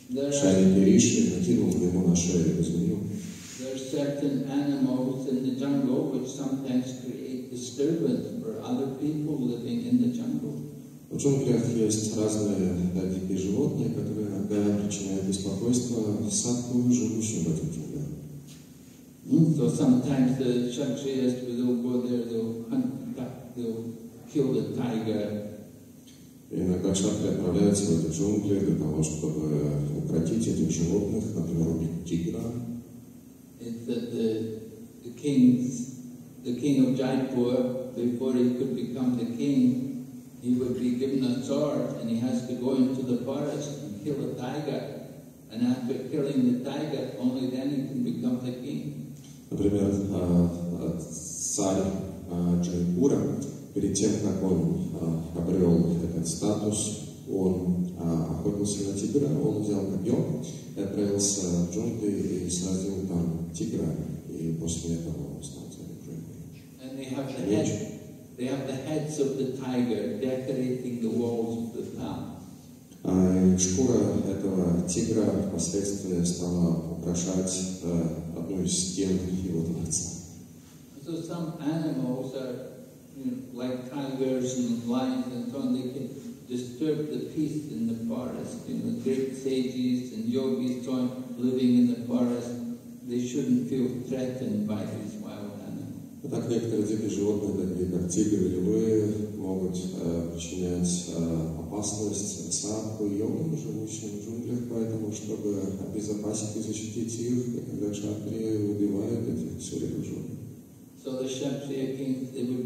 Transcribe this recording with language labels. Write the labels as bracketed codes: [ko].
[ru] Шайники Риши накинул ему на шею и позвонил. [en] There are certain animals in the jungle which sometimes create disturbance for other people living in the jungle. [ru] В джунглях есть разные дикие животные, которые иногда причиняют беспокойство саду, живущим в этом джунгле. [en] So sometimes the kshatriyas will go there, they'll kill the tiger. [ru] Иногда кшатрия отправляются в эти джунгли для того, чтобы укротить этих животных, например, убить тигра. [en] It's that the king of Jaipur, before he could become the king, he would be given a sword and he has to go into the forest and kill a tiger. And after killing the tiger, only then he can become the king. [ru] Например, царь Джайпура, перед тем, как он обрел этот статус, он охотился на тигра, он взял копье, отправился в джунгли и сразил там тигра, и после этого он стал царем джунглей. [en] They have the heads of the tiger decorating the walls of the town. [ru] Шкура этого тигра впоследствии стала украшать одну из стен его дворца. [en] So some animals are, you know, like tigers and lions and so on, they can disturb the peace in the forest. You know, great sages and yogis so on, living in the forest, they shouldn't feel threatened by this. [ru] Так некоторые дикие животные, такие как тигры или львы, могут причинять опасность садху и йогам, живущим в джунглях, поэтому, чтобы обезопасить и защитить их, когда кшатрия убивает этих сурьевых животных.